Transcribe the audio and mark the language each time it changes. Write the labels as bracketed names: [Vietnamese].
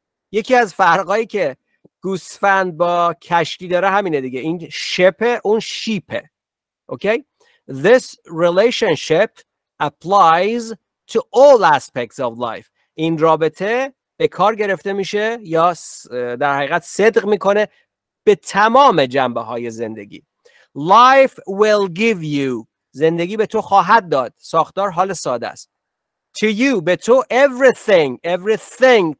[Persian] یکی از فرقایی که گوسفند با کشکی داره همینه دیگه. این شپه اون شیپه. Okay? [English] This relationship applies to all aspects of life. [Persian] این رابطه به کار گرفته میشه یا در حقیقت صدق میکنه به تمام جنبه های زندگی. [English] Life will give you. [Persian] زندگی به تو خواهد داد. ساختار حال ساده است. [English] To you. [Persian] به تو everything.